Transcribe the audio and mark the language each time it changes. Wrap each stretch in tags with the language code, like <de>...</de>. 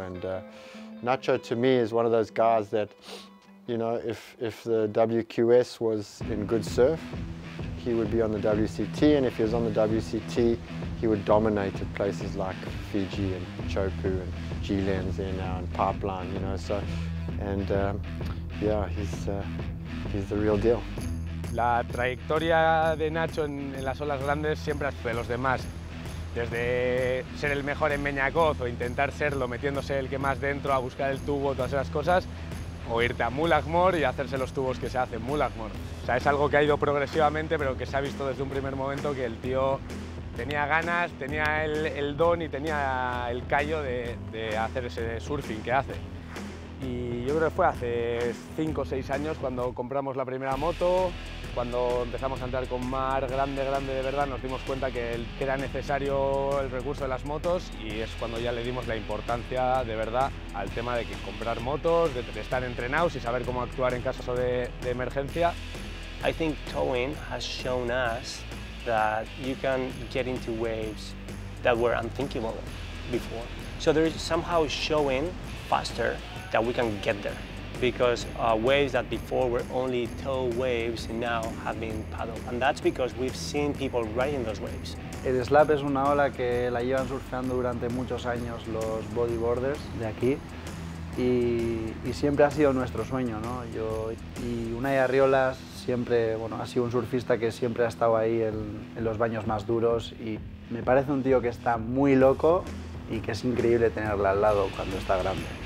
<en>And Natxo to me is one of those guys that, you know, if the WQS was in good surf, he would be on the WCT, and if he was on the WCT, he would dominate at places like Fiji and Chopu and G-Lens there now and Pipeline, you know. So, and yeah, he's the real deal.</en> <es>La trayectoria de Natxo en las olas grandes siempre ha sido de los demás. Desde ser el mejor en Meñacoz o intentar serlo metiéndose el que más dentro a buscar el tubo, todas esas cosas, o irte a Mullaghmore y hacerse los tubos que se hacen en Mullaghmore. O sea, es algo que ha ido progresivamente, pero que se ha visto desde un primer momento que el tío tenía ganas, tenía el don y tenía el callo de hacer ese surfing que hace. Y yo creo que fue hace 5 o 6 años cuando compramos la primera moto, cuando empezamos a entrar con mar grande, grande de verdad, nos dimos cuenta que era necesario el recurso de las motos y es cuando ya le dimos la importancia de verdad al tema de que comprar motos, de estar entrenados y saber cómo actuar en caso de emergencia.</es> <en>I think towing has shown us that you can get into waves that were unthinkable before. So there is somehow showing faster that we can get there, because waves that before were only tow waves now have been paddled, and that's because we've seen people riding those waves.</en> <es>El Slab es una ola que la llevan surfeando durante muchos años los bodyboarders de aquí, y siempre ha sido nuestro sueño, ¿no? Yo y Unai Arriolas siempre, bueno, ha sido un surfista que siempre ha estado ahí en los baños más duros, y me parece un tío que está muy loco y que es increíble tenerla al lado cuando está grande.</es>